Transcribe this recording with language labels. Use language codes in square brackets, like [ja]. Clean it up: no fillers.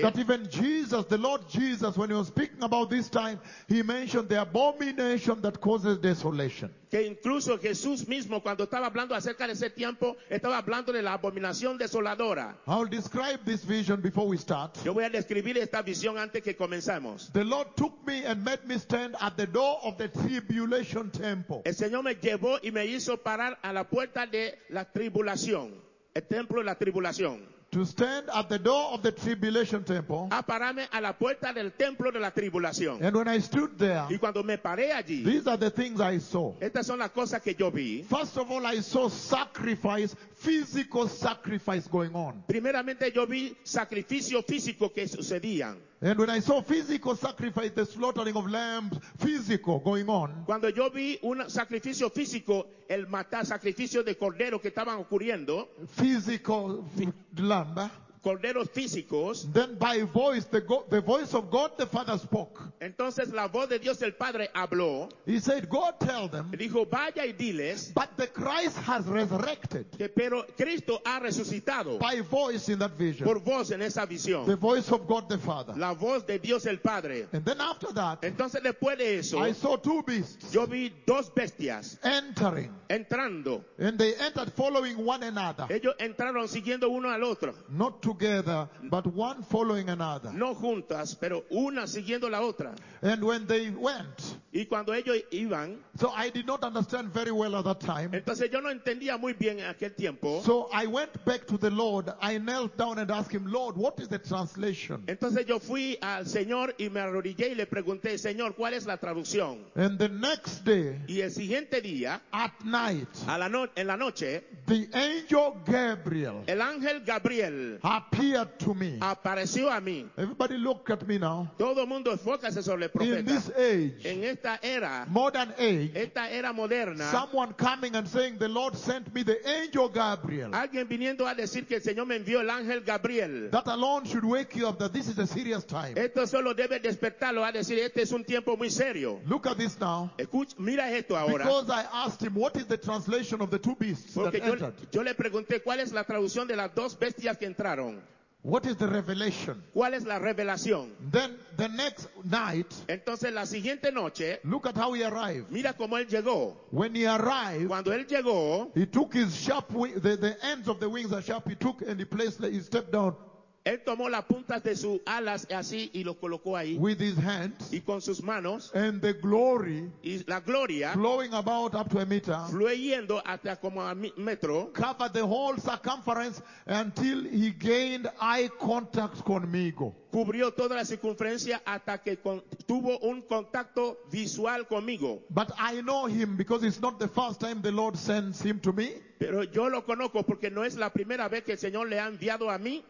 [en] That even Jesus, the Lord Jesus, when he was speaking about this time, he mentioned the abomination that causes desolation. [es] Que incluso Jesús mismo cuando estaba hablando acerca de ese tiempo estaba hablando de la abominación desoladora. [en] I'll describe this vision before we start. [es] Yo voy a describir esta visión antes que comencemos. [en] The Lord took me and made me stand at the door of the tribulation temple. [es] El Señor me llevó y me hizo parar a la puerta de la tribulación, el templo de la tribulación. [en] To stand at the door of the tribulation temple. [es] A pararme a la puerta del templo de la tribulación. [en] And when I stood there. [es] Y cuando me paré allí. [en] These are the things I saw. [es] Estas son las cosas que yo vi. [en] First of all, I saw sacrifice, physical sacrifice going on. [es] Primeramente yo vi sacrificio físico que sucedían. [en] And when I saw physical sacrifice, the slaughtering of lambs, physical going on. [es] Cuando yo vi un sacrificio físico, el matar sacrificio de cordero que estaban ocurriendo. [en] Physical lamb. [es] Corderos físicos. [en] Then by voice, the voice of God the Father spoke. [es] Entonces la voz de Dios el Padre habló. [en] He said, go tell them. [es] Dijo, vaya y diles. [en] But the Christ has resurrected. [es] Que pero Cristo ha resucitado. [en] By voice in that vision. [es] Por voz en esa visión. [en] The voice of God the Father. [es] La voz de Dios el Padre. [en] And then after that. [es] Entonces después de eso. [en] I saw two beasts. [es] Yo vi dos bestias. [en] Entering. [es] Entrando. [en] And they entered following one another. [es] Ellos entraron siguiendo uno al otro. [en] Not together, but one following another. [es] No juntas, pero una siguiendo la otra. [en] And when they went, [es] Y cuando ellos iban, [en] so I did not understand very well at that time. [es] Entonces yo no entendía muy bien en aquel tiempo. [en] So I went back to the Lord. I knelt down and asked him, Lord, what is the translation? [es] Entonces yo fui al Señor y me arrodillé y le pregunté, Señor, ¿cuál es la traducción? [en] And the next day, [es] y el siguiente día, [en] at night, [es] en la noche, [en] the angel Gabriel, [es] el ángel Gabriel, [en] appeared to me. [es] Apareció a mí. [en] Everybody look at me now. [es] Todo mundo enfócase sobre el profeta. [en] In this age, [es] en esta era, [en] modern age, [es] esta era moderna, [en] someone coming and saying the Lord sent me the angel Gabriel. [es] Alguien viniendo a decir que el Señor me envió el ángel Gabriel. [en] That alone should wake you up that this is a serious time. [es] Esto solo debe despertarlo a decir este es un tiempo muy serio. [en] Look at this now. [es] Mira esto ahora. [en] Because I asked him, what is the translation of the two beasts [es] porque [en] that entered? [es] Yo le pregunté cuál es la traducción de las dos bestias que entraron. [en] What is the revelation? [es] ¿Cuál es la revelación? [en] Then the next night, [es] entonces la siguiente noche, [en] look at how he arrived. [es] Mira cómo él llegó. [en] When he arrived, [es] cuando él llegó, [en] he took his sharp the ends of the wings are sharp. He took and he placed he stepped down. [es] Él tomó las puntas de sus alas así y lo colocó ahí. [en] With his hands, [es] y con sus manos, [en] and the glory, [es] y la gloria, [en] flowing about up to a meter, [es] fluyendo hasta como a metro, [en] covered the whole circumference until he gained eye contact [es] conmigo. Cubrió toda la circunferencia hasta que tuvo un contacto visual conmigo. [en] But I know him because it's not the first time the Lord sends him to me. [es] Pero yo lo conozco porque no es la primera vez que el Señor le ha enviado a mí.